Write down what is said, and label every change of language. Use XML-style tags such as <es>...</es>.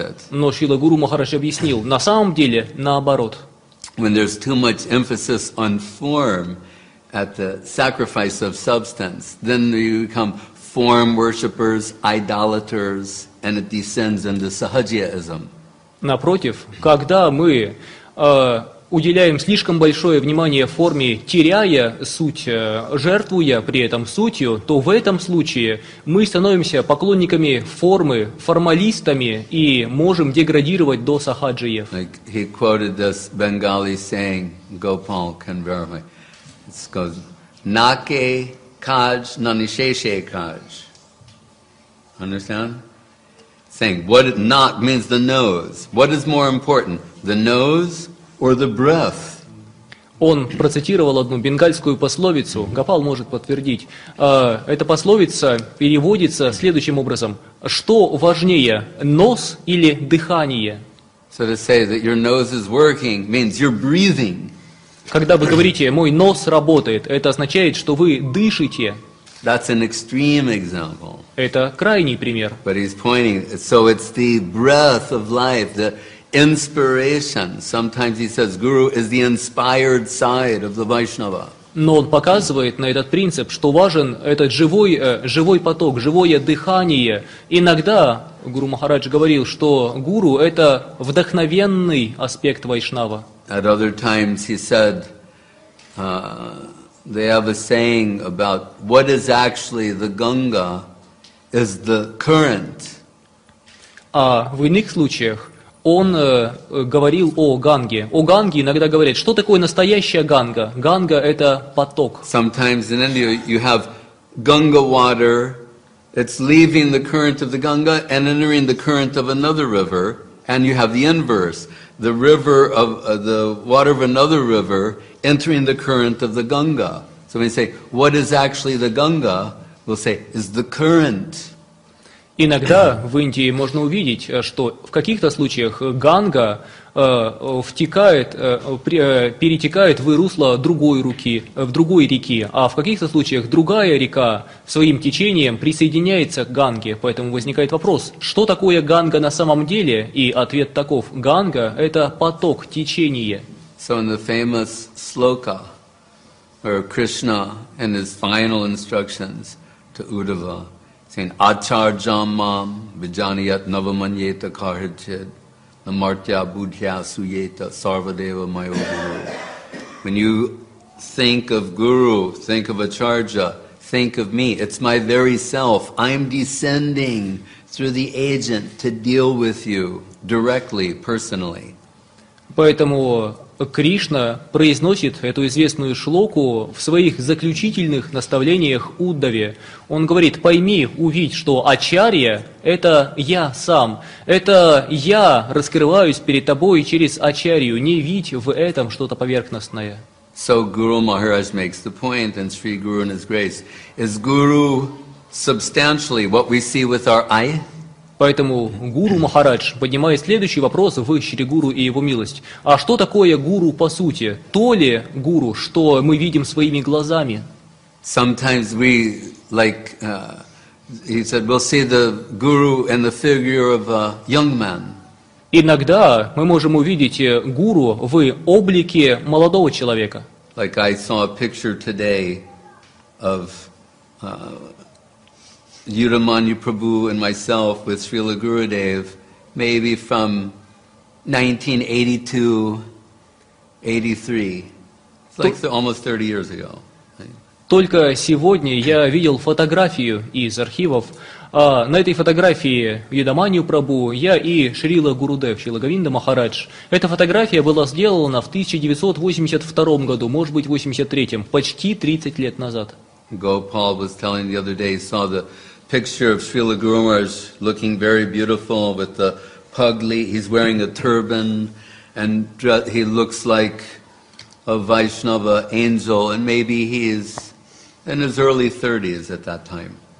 <ru>Но Шрила Гуру Махарадж объяснил, на самом деле наоборот.</ru> <en>When there's too much emphasis on form at the sacrifice of substance, then you become form worshippers, idolaters. And it descends into sahajyaism.</en> <ru>Напротив, когда мы уделяем слишком большое внимание форме, теряя суть, жертвуя при этом сутью, то в этом случае мы становимся поклонниками формы, формалистами и можем деградировать до сахаджиев.</ru> <en>Like he quoted this Bengali saying, Gopal can verify. It goes,</en> <bn>"Nake kaj nanisheshe kaj."</bn> <en>Understand? Saying what it not means the nose. What is more important, the nose or the breath?</en> <ru>Он процитировал одну бенгальскую пословицу. Гопал может подтвердить. Эта пословица переводится следующим образом: что важнее, нос или дыхание?</ru> <en>So to say that your nose is working means you're breathing.</en> <ru>Когда вы говорите, мой нос работает, это означает, что вы дышите.</ru> <en>That's an extreme example.</en> <ru>Это крайний пример.</ru> <en>But he's pointing, so it's the breath of life, the inspiration. Sometimes he says, guru is the inspired side of the Vaishnava.</en> <ru>Но он показывает на этот принцип, что важен этот живой, живой поток, живое дыхание. Иногда, Гуру Махарадж говорил, что гуру – это вдохновенный аспект Вайшнава.</ru> <en>At other times he said, they have a saying about what is actually the Ganga is the current.</en> <ru>А в иных случаях он говорил о Ганге. О Ганге иногда говорят, что такое настоящая Ганга? Ганга – это поток.</ru> <en>Sometimes in India you have Ganga water, it's leaving the current of the Ganga and entering the current of another river, and you have the inverse. The river of the water of another river entering the current of the Ganga. So when you say, what is actually the Ganga? We'll say, is the current.</en> <ru>Иногда в Индии можно увидеть, что в каких-то случаях Ганга втекает, перетекает в русло другой руки, в другой реки, а в каких-то случаях другая река своим течением присоединяется к Ганге. Поэтому возникает вопрос, что такое Ганга на самом деле? И ответ таков, Ганга – это поток, течение.</ru> <en>So in the famous sloka, where Krishna in his final instructions to Uddhava, saying,</en> <sa>Acharjam mam vijaniyat navamanyeta karhichid namartya buddhya suyeta sarvadeva mayo guru.</sa> <en>When you think of Guru, think of Acharya, think of me. It's my very self. I'm descending through the agent to deal with you directly, personally.</en> <ru>Поэтому Кришна произносит эту известную шлоку в своих заключительных наставлениях Уддаве. Он говорит: «Пойми, увидь, что Ачарья – это я сам. Это я раскрываюсь перед тобой через Ачарью. Не видь в этом что-то поверхностное».</ru> <en>So Guru Maharaj makes the point in Sri Guru and His Grace. Is Guru substantially what we see with our eye?</en> <ru>Поэтому Гуру Махарадж поднимает следующий вопрос в Шри Гуру и его милость. А что такое Гуру по сути? То ли Гуру, что мы видим своими глазами?</ru> <en>Sometimes we, like, he said, we'll see the Guru in the figure of a young man.</en> <ru>Иногда мы можем увидеть Гуру в облике молодого человека.</ru> <en>Like I saw a picture today of Yudhamanyu Prabhu and myself with Srila Gurudev, maybe from 1982-83. It's like almost 30 years ago.</en> <ru>Только сегодня я видел фотографию из архивов. На этой фотографии Йудаманью Прабу, я и Шрила Гурудев, Шрила Говинда Махарадж. Эта фотография была сделана в 1982 году, может быть, в 83-м, почти 30 лет назад.</ru> <en>Гопал was telling the other day, he saw the picture of Srila Guru Maharaj looking very beautiful with the pugli. He's wearing a turban and he looks like a Vaishnava angel and maybe he is in his early 30s at that time.</en>